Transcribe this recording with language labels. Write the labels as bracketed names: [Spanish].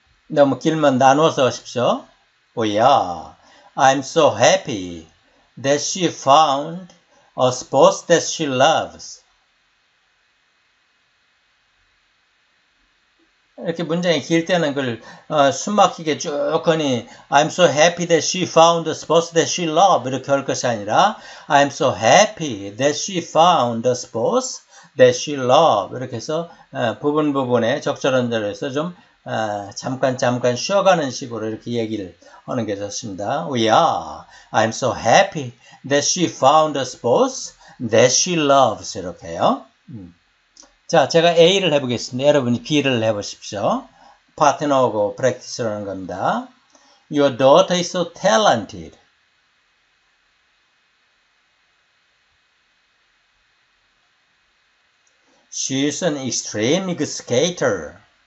[Korean] No, 길만 나눠서 하십시오. [English] Oh yeah, I'm so happy that she found a sport that she loves. [Korean] 이렇게 문장이 길 때는 그걸 숨막히게 쭉 하니 [English] I'm so happy that she found a sport that she loved [Korean] 이렇게 할 것이 아니라 [English] I'm so happy that she found a sport that she loved [Korean] 이렇게 해서 부분 부분에 적절한 대로 해서 좀 잠깐 잠깐 쉬어가는 식으로 이렇게 얘기를 하는 게 좋습니다. [English] We are I'm so happy that she found a sport that she loves [Korean] 이렇게요. 자, 제가 A를 해보겠습니다. 여러분이 B를 해보십시오. 파트너하고 프랙티스라는 겁니다. [English] Your daughter is so talented. She's an extremely good skater.